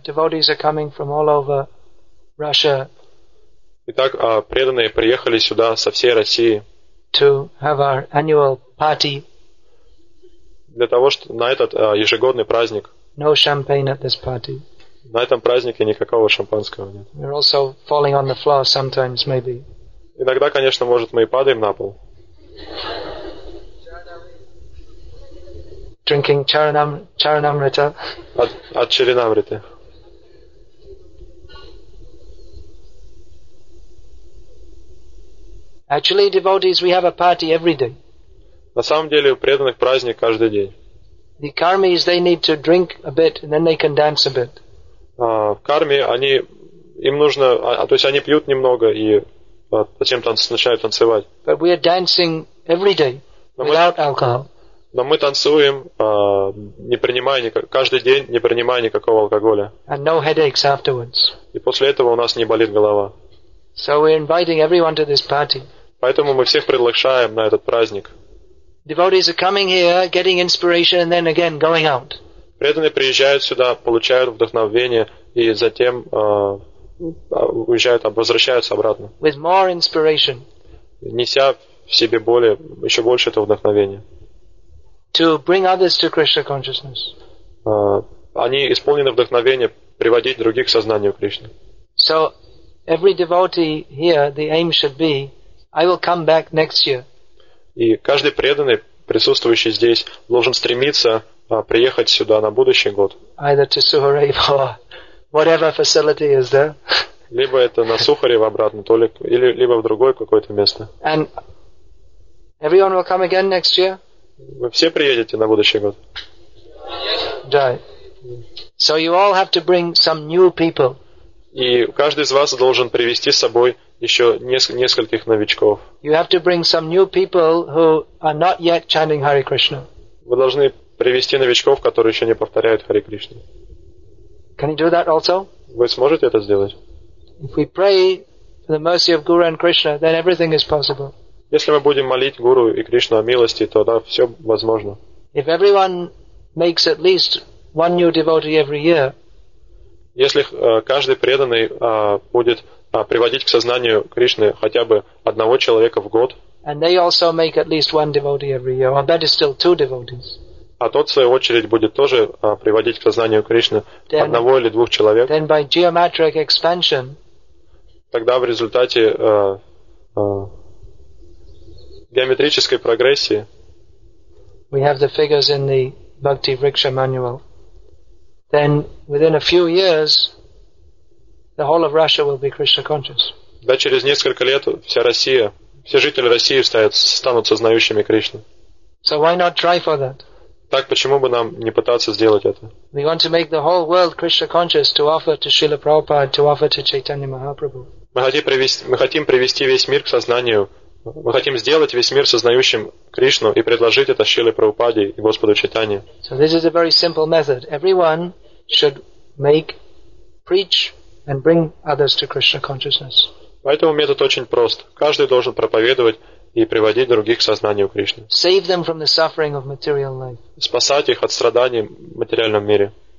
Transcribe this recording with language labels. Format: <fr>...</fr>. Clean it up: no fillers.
<en>Devotees are coming from all over Russia.</en> <ru>Итак, преданные приехали сюда со всей России.</ru> <en>To have our annual party.</en> <ru>Для того, чтобы на этот ежегодный праздник.</ru> <en>No champagne at this party.</en> <ru>На этом празднике никакого шампанского нет.</ru> <en>We're also falling on the floor sometimes, maybe.</en> <ru>Иногда, конечно, может, мы и падаем на пол.</ru> <en>Drinking charanamrita.</en> <ru>От чаринамриты.</ru> <en>Actually, devotees, we have a party every day.</en> <ru>На самом деле, у преданных праздник каждый день.</ru> <en>The karmis, they need to drink a bit, and then they can dance a bit.</en> <ru>В карме они, им нужно, то есть они пьют немного и затем начинают танцевать.</ru> <en>But we are dancing every day without alcohol.</en> <ru>Но мы танцуем, не принимая каждый день не принимая никакого алкоголя.</ru> <en>And no headaches afterwards.</en> <ru>И после этого у нас не болит голова.</ru> <en>So we're inviting everyone to this party.</en> <ru>Поэтому мы всех приглашаем на этот праздник.</ru> <en>Devotees are coming here, getting inspiration, and then again going out.</en> <ru>Преданные приезжают сюда, получают вдохновение и затем уезжают, возвращаются обратно.</ru> <en>With more inspiration.</en> <ru>Неся в себе более, еще больше этого вдохновения.</ru> <en>To bring others to Krishna consciousness.</en> <ru>Они исполнены вдохновения приводить других к сознанию Кришны.</ru> <en>So every devotee here, the aim should be, I will come back next year.</en> <ru>И каждый преданный, присутствующий здесь, должен стремиться приехать сюда на будущий год.</ru> <en>Either to Suharevo, whatever facility is there.</en> <ru>Либо это на Сухарево обратно, то ли, или либо в другое какое-то место.</ru> <en>And everyone will come again next year.</en> <ru>Вы все приедете на будущий год. Да.</ru> <en>So you all have to bring some new people.</en> <ru>И каждый из вас должен привести с собой еще нескольких новичков.</ru> <en>You have to bring some new people who are not yet chanting Hare Krishna.</en> <ru>Вы должны привести новичков, которые еще не повторяют Харе Кришну.</ru> <en>Can you do that also?</en> <ru>Вы сможете это сделать?</ru> <en>If we pray for the mercy of Guru and Krishna, then everything is possible.</en> <ru>Если мы будем молить Гуру и Кришну о милости, то да, все возможно.</ru> <en>If everyone makes at least one new devotee every year.</en> <ru>Если каждый преданный будет приводить к сознанию Кришны хотя бы одного человека в год.</ru> <en>And they also make at least one devotee every year, or better still, two devotees.</en> <ru>А тот, в свою очередь, будет тоже приводить к сознанию Кришны</ru> <en>then,</en> <ru>одного или двух человек.</ru> <en>Then by geometric expansion,</en> <ru>тогда в результате геометрической прогрессии.</ru> <en>We have the figures in the Bhakti Riksha manual. Then, within a few years, the whole of Russia will be Krishna conscious.</en> <ru>Да, через несколько лет вся Россия, все жители России станут сознающими Кришну.</ru> <en>So why not try for that?</en> <ru>Так почему бы нам не пытаться сделать это?</ru> <en>We want to make the whole world Krishna conscious to offer to Srila Prabhupada, to offer to Chaitanya Mahaprabhu.</en> <ru>Мы хотим привести весь мир к сознанию. Мы хотим сделать весь мир сознающим Кришну и предложить это Шриле Прабхупаде и Господу Чайтанье.</ru> <en>So this is a very simple method. Everyone should make, preach and bring others to Krishna consciousness.</en> <ru>Поэтому метод очень прост. Каждый должен проповедовать и приводить других к сознанию Кришны.</ru> <en>Save them from the suffering of material life.</en> <ru>Спасать их от страданий в материальном мире.</ru>